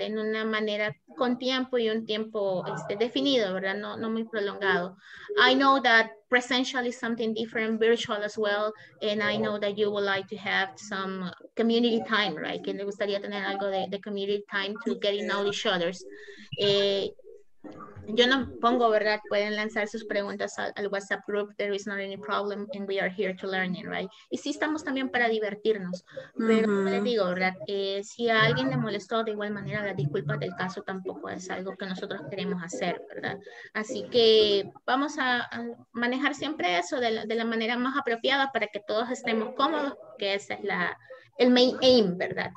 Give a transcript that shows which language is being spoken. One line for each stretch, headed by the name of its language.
Spanish: En una manera con tiempo y un tiempo definido, ¿verdad? No muy prolongado.
English: I know that presential is something different, virtual as well, and I know that you would like to have some community time, right?
Spanish: Que le gustaría tener algo de
English: community time to get to know each other.
Spanish: yo no pongo, ¿verdad? Pueden lanzar sus preguntas al WhatsApp group.
English: There is not any problem and we are here to learn it, right?
Spanish: Y sí, estamos también para divertirnos. Pero uh-huh. Como les digo, ¿verdad? Si a alguien le molestó, de igual manera, la disculpa del caso tampoco es algo que nosotros queremos hacer, ¿verdad? Así que vamos a manejar siempre eso de la manera más apropiada para que todos estemos cómodos, que esa es el
English: main aim,
Spanish: ¿verdad?